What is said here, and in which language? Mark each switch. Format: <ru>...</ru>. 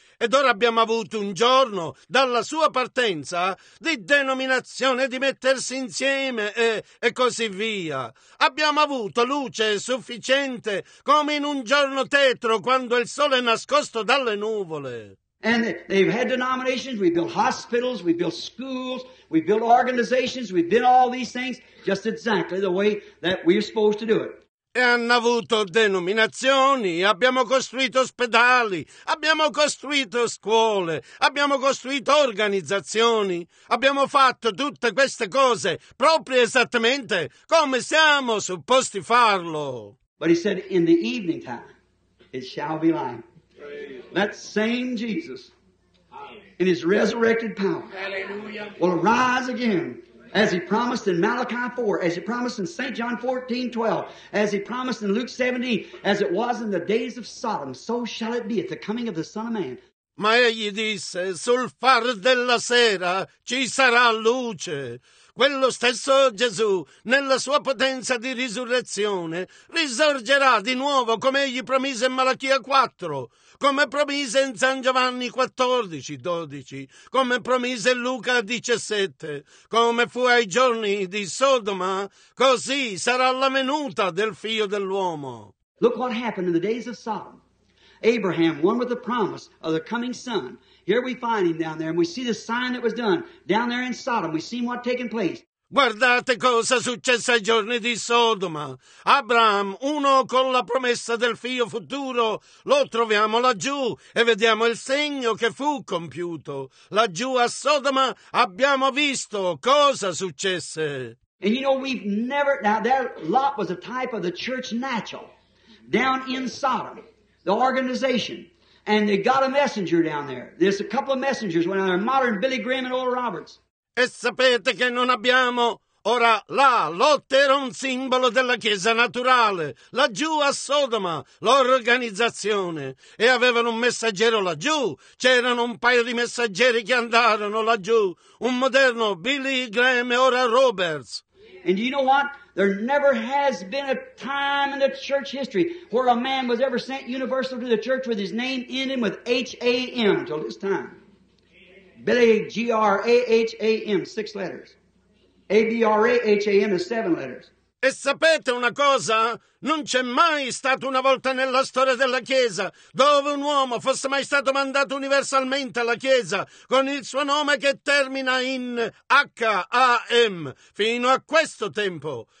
<it>Ed ora abbiamo avuto un giorno, dalla sua partenza, di denominazione, di mettersi insieme e così via. Abbiamo avuto luce sufficiente come in un giorno tetro quando il sole è nascosto dalle nuvole.</it> <en>And they've had denominations, we've built hospitals, we've built schools, we've built organizations, we've built all these things just exactly the way that we're supposed to do it.</en> <it>E hanno avuto denominazioni, abbiamo costruito ospedali, abbiamo costruito scuole, abbiamo costruito organizzazioni, abbiamo fatto tutte queste cose proprio esattamente come siamo supposti farlo.</it> <en>But he said, in the evening time, it shall be light. That same Jesus, in his resurrected power, hallelujah, will arise again, as he promised in Malachi 4, as he promised in St. John 14, 12, as he promised in Luke 17, as it was in the days of Sodom, so shall it be at the coming of the Son of Man.</en> <it>Ma egli disse, sul far della sera ci sarà luce. quello stesso Gesù, nella sua potenza di risurrezione, risorgerà di nuovo come egli promise in Malachia 4, come promise in San Giovanni 14, 12, come promise in Luca 17, come fu ai giorni di Sodoma, così sarà la venuta del Figlio dell'uomo.</it> <en>Look what happened in the days of Sodom. Abraham, one with the promise of the coming son. Here we find him down there, and we see the sign that was done down there in Sodom. We see what taken place.</en> <it>Guardate cosa successe ai giorni di Sodoma. Abraham, uno con la promessa del figlio futuro, lo troviamo laggiù e vediamo il segno che fu compiuto. Laggiù a Sodoma abbiamo visto cosa successe.</it> <en>And you know, we've never, now that Lot was a type of the church natural down in Sodom, the organization. And they got a messenger down there. There's a couple of messengers went down there, modern Billy Graham and Oral Roberts.</en> <it>E sapete che non abbiamo ora là. Lot era un simbolo della chiesa naturale, laggiù a Sodoma, l'organizzazione. E avevano un messaggero laggiù. C'erano un paio di messaggeri che andarono laggiù. Un moderno Billy Graham e Oral Roberts.</it> <en>And you know what? There never has been a time in the church history where a man was ever sent universal to the church with his name in him with H-A-M until this time. Billy G-R-A-H-A-M, six letters. A-B-R-A-H-A-M is seven letters.</en> <it>E sapete una cosa? Non c'è mai stato una volta nella storia della Chiesa dove un uomo fosse mai stato mandato universalmente alla Chiesa con il suo nome che termina in H-A-M fino a questo tempo.</it>